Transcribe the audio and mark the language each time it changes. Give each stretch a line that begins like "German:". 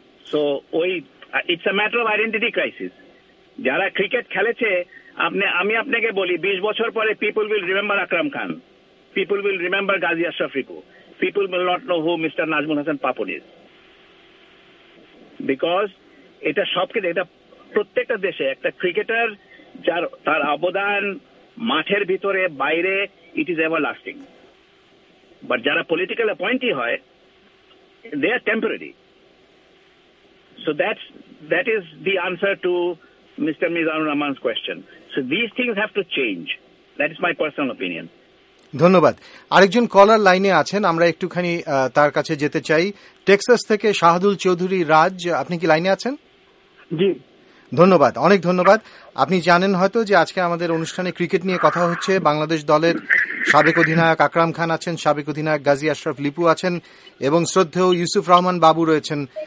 English: so ওই it's a matter of identity crisis,
Bangla: যারা cricket খেলেছে, আমি আপনাকে বলি, 20 বছর পরে
English: people will remember Akram Khan, people will remember Gazi Ashraf Ripu, people will not know who mister Nazmul Hasan Papon is, because
Bangla: এটা সবকে, এটা প্রত্যেকটা দেশে একটা ক্রিকেটার যার তার অবদান মাঠের ভিতরে বাইরে,
English: It is ever lasting. But যারা political appointee হয়, they are temporary. So that is the answer to Mr. Mizanur Rahman's question. So these things have to change. That is my personal opinion.
Bangla: ধন্যবাদ। আরেকজন কলার লাইনে আছেন, আমরা একটুখানি তার কাছে যেতে চাই। টেক্সাস থেকে শাহাদুল চৌধুরী রাজ, আপনি কি লাইনে আছেন? জি। ধন্যবাদ, অনেক ধন্যবাদ। আপনি জানেন হয়তো যে আজকে আমাদের অনুষ্ঠানে ক্রিকেট নিয়ে কথা হচ্ছে, বাংলাদেশ দলের সাবেক অধিনায়ক আকরাম খান আছেন, সাবেক অধিনায়ক গাজী আশরাফ লিপু আছেন, এবং শ্রদ্ধেয় ইউসুফ রহমান বাবু রয়েছেন।